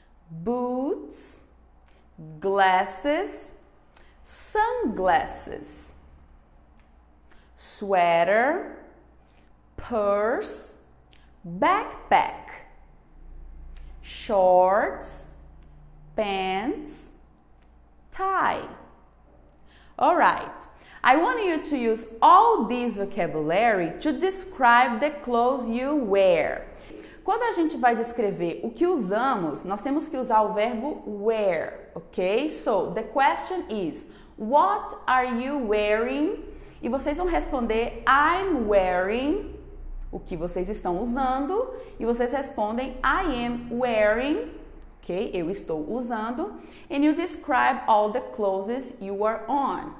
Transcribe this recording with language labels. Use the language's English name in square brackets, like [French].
[English] boots, glasses, sunglasses, sweater, purse, backpack, shorts, pants, tie. All right, I want you to use all this vocabulary to describe the clothes you wear. [Portuguese] Quando a gente vai descrever o que usamos, nós temos que usar o verbo wear, ok? [English] So, the question is, what are you wearing? [Portuguese] E vocês vão responder, [English] I'm wearing, [Portuguese] o que vocês estão usando. E vocês respondem, [English] I am wearing. [Portuguese] Ok, eu estou usando. [English] And you describe all the clothes you are on.